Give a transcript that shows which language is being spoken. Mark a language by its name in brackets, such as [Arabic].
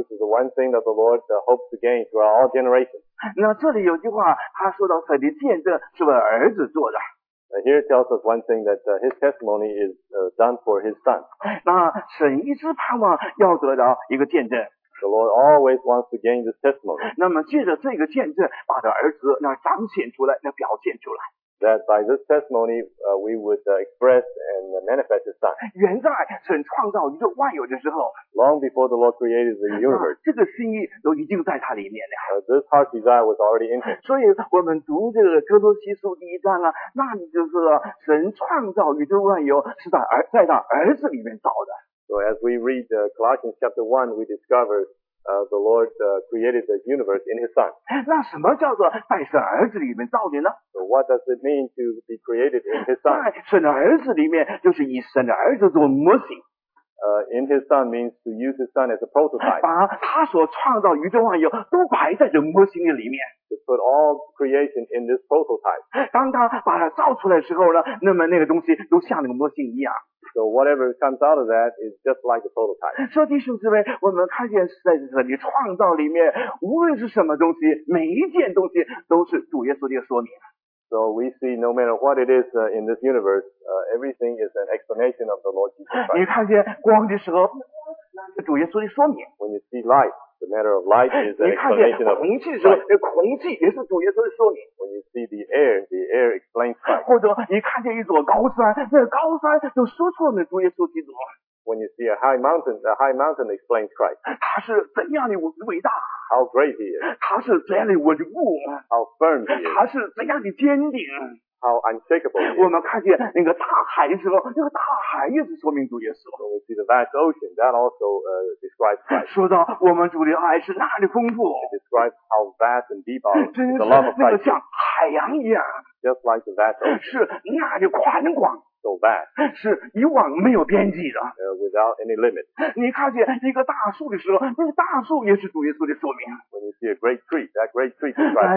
[English] This is the one thing that the Lord hopes to gain throughout all generations. [Chinese] 那这里有句话，他说到神的见证是为儿子做的。 [English] Here tells us one thing that his testimony is done for his son. [Chinese] 那神一直盼望要得到一个见证。 [English] The Lord always wants to gain this testimony. [Chinese] 那么借着这个见证，把他儿子那彰显出来，那表现出来。 [English] That by this testimony, we would express and manifest His Son. [Chinese] 原在神创造宇宙万有的时候 [English] ，long before the Lord created the universe， [Chinese] 这个心意都已经在他里面了。 [English] This heart desire was already in Him. [Chinese] 所以我们读这个哥罗西书第一章啊，那你就是说神创造宇宙万有是在他儿子里面造的。 [English] So as we read Colossians chapter 1, we discover the Lord created the universe in His Son. [Chinese] 那什么叫做在神儿子里面造的呢？ [English] What does it mean to be created in His Son? [Chinese] 在神的儿子里面，就是以神的儿子做模型。 [English] In His Son means to use His Son as a prototype. [Chinese] 把他所创造宇宙万有都摆在这模型的里面。 [English] To put all creation in this prototype. [Chinese] 当他把它造出来的时候呢，那么那个东西都像那个模型一样。 [English] So whatever comes out of that is just like a prototype. [Chinese] 说弟兄姊妹，我们看见在这里创造里面，无论是什么东西，每一件东西都是主耶稣的说明。 [English] So we see no matter what it is in this universe, everything is an explanation of the Lord Jesus Christ. [Chinese] 你看见光的时候，那是主耶稣的说明。 [English] When you see light, the matter of light is an explanation of the Lord Jesus Christ. [Chinese] 你看见空气的时候，那空气也是主耶稣的说明。 [English] When you see the air explains Christ. [Chinese] 或者你看见一座高山，那高山就说出了主耶稣基督。 [English] When you see a high mountain, the high mountain explains Christ. [Chinese] 他是怎样的伟大？ [English] How great he is. [Chinese] 他是怎样的稳固？ [English] How firm he is. [Chinese] 他是怎样的坚定？ [English] How unshakable he is. [Chinese] 我们看见那个大海的时候，那个大海也是说明主耶稣。 [English] When we see the vast ocean, that also describes Christ. [Chinese] 说到我们主的爱是哪里丰富？ [English] It describes how vast and deep our the love of Christ. [Chinese] 那个像海洋一样。 [English] Just like the vast ocean. [Chinese] 是那里宽广。 [English] So vast, [Chinese] 是以往没有边际的。 [English] Without any limit. [Chinese] 你看见一个大树的时候，那个大树也是主耶稣的说明。 [English] When you see a great tree, that great tree is Christ.